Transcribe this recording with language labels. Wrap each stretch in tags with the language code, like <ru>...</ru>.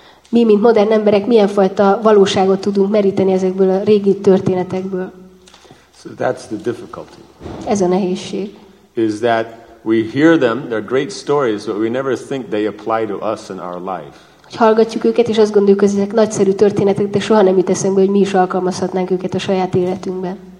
<hu>Mi mint modern emberek milyen fajta valóságot tudunk meríteni ezekből a régi történetekből?</hu> <en>So that's the difficulty.</en> <hu>Ez a nehézség.</hu> <en>Is that we hear them, they're great stories, but we never think they apply to us in our life.</en> <hu>Hallgatjuk őket, és azt gondoljuk, hogy ezek nagyszerű történetek, de soha nem jut eszembe, hogy mi is alkalmazhatnánk őket a saját életünkben.</hu>